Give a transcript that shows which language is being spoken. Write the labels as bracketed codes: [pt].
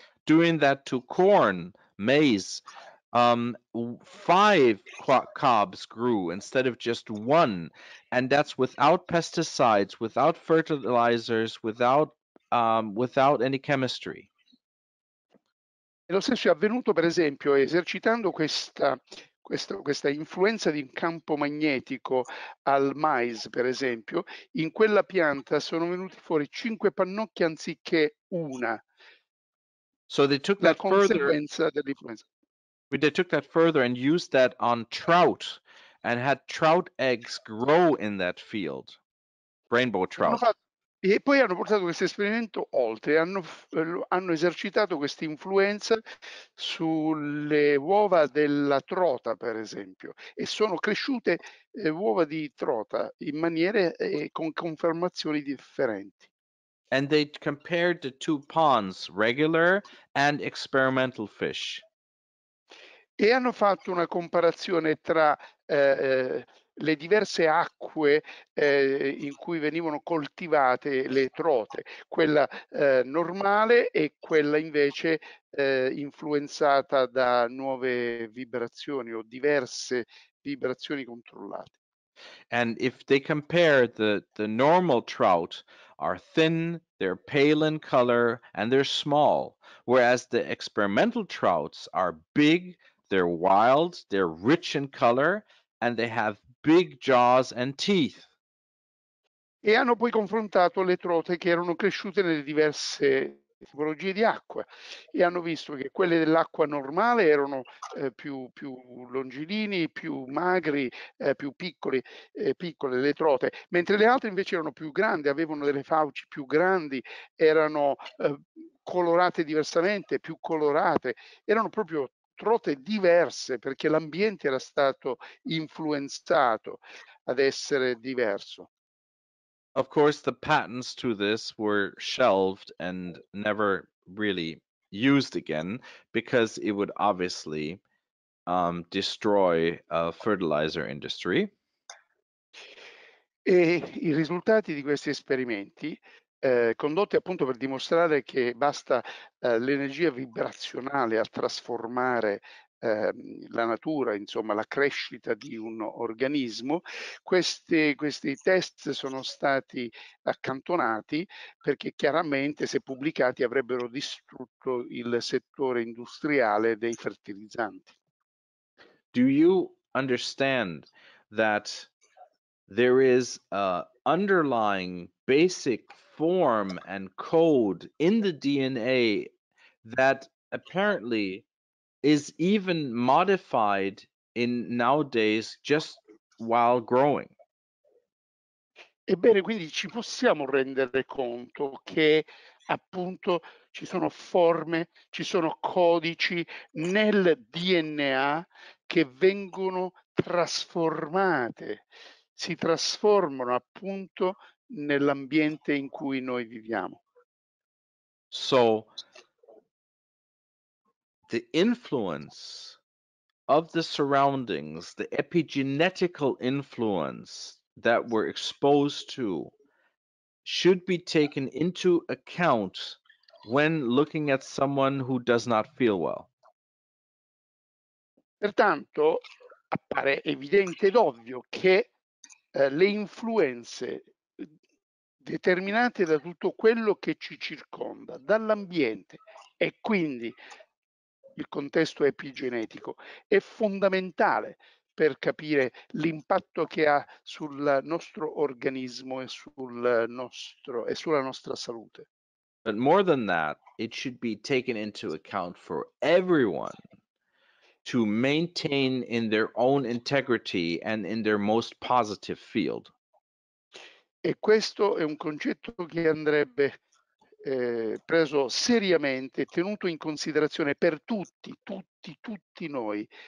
[en] Doing that to corn, maize. Five cobs grew instead of just one, and that's without pesticides, without fertilizers, without any chemistry. [it] E lo stesso è avvenuto, per esempio, esercitando questa influenza di un campo magnetico al mais, per esempio, in quella pianta sono venuti fuori 5 pannocchie anziché una. [en] So they took that further. [it] La conseguenza dell'influenza. [en] But they took that further and used that on trout and had trout eggs grow in that field, rainbow trout. [it] E poi hanno portato questo esperimento oltre, hanno esercitato questa influenza sulle uova della trota, per esempio, e sono cresciute uova di trota in maniere con conformazioni differenti. [en] And they compared the two ponds, regular and experimental fish. [it] E hanno fatto una comparazione tra le diverse acque in cui venivano coltivate le trote, quella normale e quella invece influenzata da nuove vibrazioni o diverse vibrazioni controllate. [en] And if they compare the normal trout are thin, they're pale in color, and they're small, whereas the experimental trouts are big, they're wild, they're rich in color, and they have big jaws and teeth. [it] E hanno poi confrontato le trote che erano cresciute nelle diverse tipologie di acqua e hanno visto che quelle dell'acqua normale erano più longilini, più magri, più piccoli, piccole le trote, mentre le altre invece erano più grandi, avevano delle fauci più grandi, erano colorate diversamente, più colorate, erano proprio trote diverse perché l'ambiente era stato influenzato ad essere diverso. [en] Of course, the patents to this were shelved and never really used again because it would obviously destroy a fertilizer industry. [it] E i risultati di questi esperimenti condotti appunto per dimostrare che basta l'energia vibrazionale a trasformare la natura, insomma la crescita di un organismo, questi test sono stati accantonati perché chiaramente se pubblicati avrebbero distrutto il settore industriale dei fertilizzanti. [en] Do you understand that there is a underlying basic form and code in the DNA that apparently is even modified in nowadays just while growing? [it] Ebbene, quindi ci possiamo rendere conto che appunto ci sono forme, ci sono codici nel DNA che vengono trasformate, si trasformano appunto nell'ambiente in cui noi viviamo. [en] So the influence of the surroundings, the epigenetical influence that we're exposed to, should be taken into account when looking at someone who does not feel well. [it] Pertanto appare evidente ed ovvio che le influenze determinate da tutto quello che ci circonda, dall'ambiente e quindi il contesto epigenetico è fondamentale per capire l'impatto che ha sul nostro organismo e sulla nostra salute. [en] But more than that, it should be taken into account for everyone to maintain in their own integrity and in their most positive field. [it] E questo è un concetto che andrebbe preso seriamente, tenuto in considerazione per tutti noi.